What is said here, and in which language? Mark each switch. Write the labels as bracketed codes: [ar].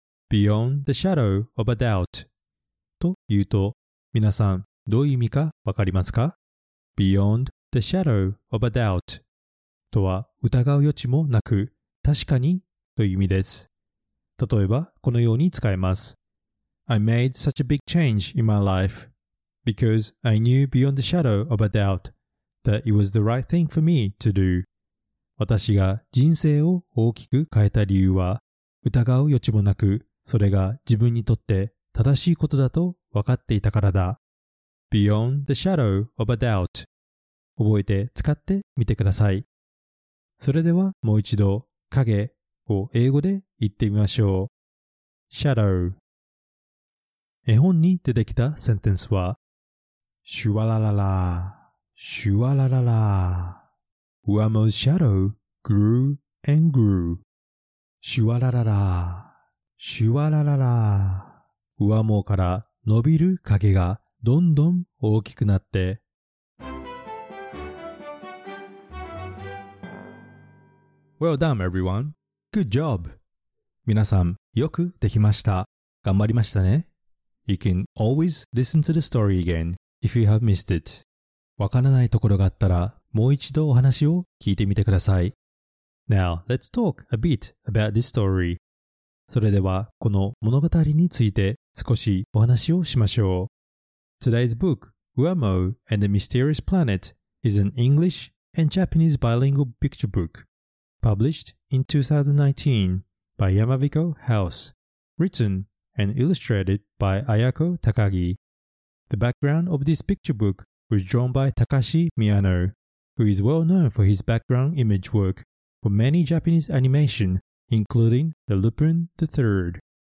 [en] Beyond the shadow of a doubt [ja] と言うと、皆さんどういう意味かわかりますか？ [en] Beyond the shadow of a doubt [ja] とは、疑う余地もなく、確かにという意味です。例えば、このように使えます。 [en] I made such a big change in my life because I knew beyond the shadow of a doubt. That it was the right thing for me to do. [ja] 私が人生を大きく変えた理由は、疑う余地もなく、それが自分にとって正しいことだと分かっていたからだ。 [en] Beyond the shadow of a doubt. [ja] 覚えて使ってみてください。それではもう一度、影を英語で言ってみましょう。 [en] Shadow. [ja] 絵本に出てきたセンテンスは、シュワラララ。シュワララララ。 [en] Uamo's shadow grew and grew. [ja] シュワラララ。シュワラララ。 Uamo から伸びる影がどんどん大きくなって。 [en] Well done, everyone. Good job. [ja] 皆さん、よくできました。頑張りましたね。 [en] You can always listen to the story again if you have missed it. [ja] わからないところがあったら、もう一度お話を聞いてみてください。 [en] Now, let's talk a bit about this story. [ja] それでは、この物語について少しお話をしましょう。 [en] Today's book, Uamo and the Mysterious Planet, is an English and Japanese bilingual picture book, published in 2019 by Yamaviko House, written and illustrated by Ayako Takagi. The background of this picture bookwas drawn by Takashi Miyano, who is well known for his background image work for many Japanese animation, including the Lupin the Third.